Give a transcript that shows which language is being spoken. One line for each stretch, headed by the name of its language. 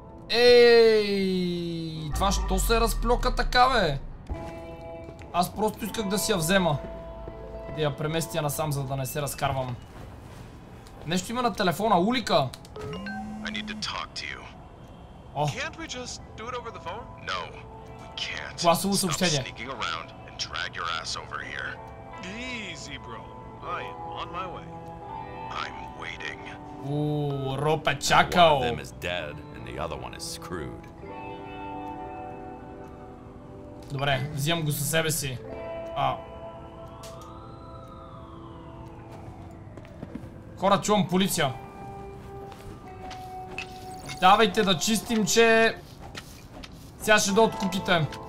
Bulgarian: Ей, това що се разплёка така, бе? Аз просто исках да си я взема. Да я преместя насам, за да не се разкарвам. Нещо има на телефона, улика.
English: I need to talk to you. Oh. Can't we just do it over the phone? No, we can't.
Bulgarian: Класово съобщение.
English: Stop sneaking around and drag your ass over here. Easy, bro. I am on my way. I'm waiting.
Bulgarian: Ропе чакал.
English: One of them is dead and the other one is screwed.
Bulgarian: Добре, взимам го със себе си. А. Хора, чувам полиция. Давайте да чистим, че... Сега ще дойдат куките.